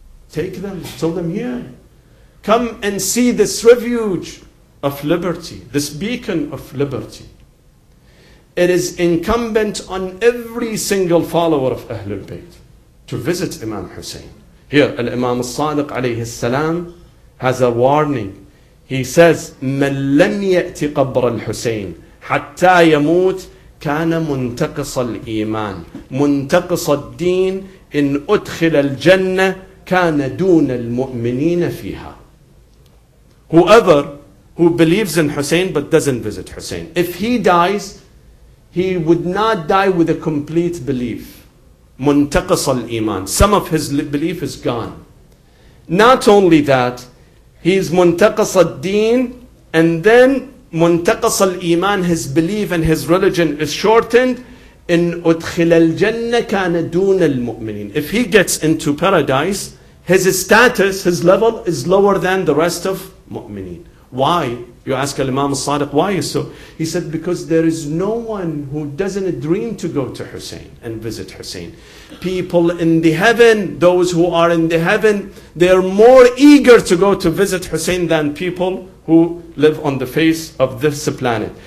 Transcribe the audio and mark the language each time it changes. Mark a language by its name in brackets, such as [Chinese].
[English] Take them, tell them here. Come and see this refuge of liberty, this beacon of liberty. It is incumbent on every single follower of Ahlul Bayt to visit Imam Hussein. Here, Imam al-Sadiq alayhi salam has a warning. [Arabic] He says, مَنْ لَمْ يَأْتِ قَبْرَ الْحُسَيْنِ حَتَّى يَمُوتْ كَانَ مُنْتَقِصَ الْإِيمَانِ مُنْتَقِصَ الدِّينِ إِنْ أُدْخِلَ الْجَنَّةِ كَانَ دُونَ الْمُؤْمِنِينَ فِيهَا. [English] Whoever who believes in Hussein but doesn't visit Hussein. If he dies, he would not die with a complete belief. [Arabic] منتقص الإيمان. [English] Some of his belief is gone. Not only that, he's [Arabic] منتقص الدين, [English] and then [Arabic] منتقص الإيمان, [English] his belief and his religion is shortened. [Arabic] إن أدخل الجنة كان دون المؤمنين. [English] If he gets into paradise, his status, his level is lower than the rest of مؤمنين. Why? You ask Imam al-Sadiq, why is so? He said, because there is no one who doesn't dream to go to Hussein and visit Hussein. People in the heaven, those who are in the heaven, they are more eager to go to visit Hussein than people who live on the face of this planet.